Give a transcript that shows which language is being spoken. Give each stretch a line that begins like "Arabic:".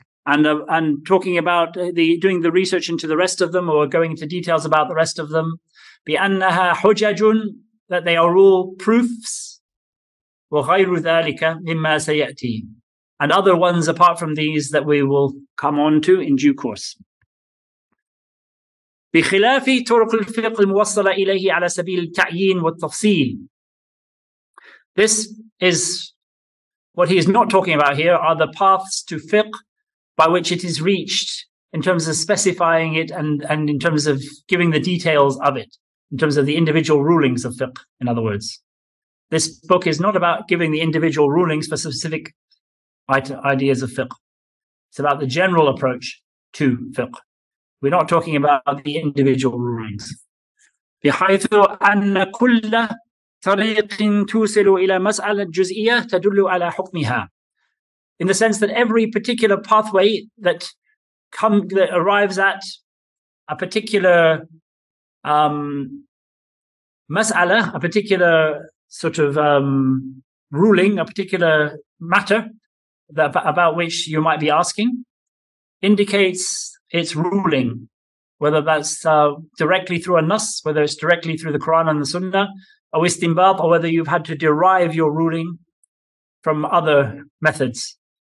English: and talking about the doing the research into the rest of them or going into details about the rest of them.
Arabic: بأنها حججٌ,
English: that they are all proofs.
Arabic: وغير ذلك مما سيأتي.
English: And other ones apart from these that we will come on to in due course.
Arabic: بخلاف طرق الفقه الموصلة إليه على سبيل التعيين والتفصيل.
English: This is what he is not talking about here, are the paths to fiqh by which it is reached in terms of specifying it and in terms of giving the details of it, in terms of the individual rulings of fiqh, in other words. This book is not about giving the individual rulings for specific ideas of fiqh. It's about the general approach to fiqh. We're not talking about the individual rulings.
Arabic: بحيث أن كل طريق توصل إلى مسألة جزئية تدل على حكمها.
English: In the sense that every particular pathway that arrives at a particular مسألة, a particular sort of ruling, a particular matter that about which you might be asking, indicates its ruling, whether that's directly through a nas, whether it's directly through the Quran and the Sunnah, or istinbath, or whether you've had to derive your ruling from other methods.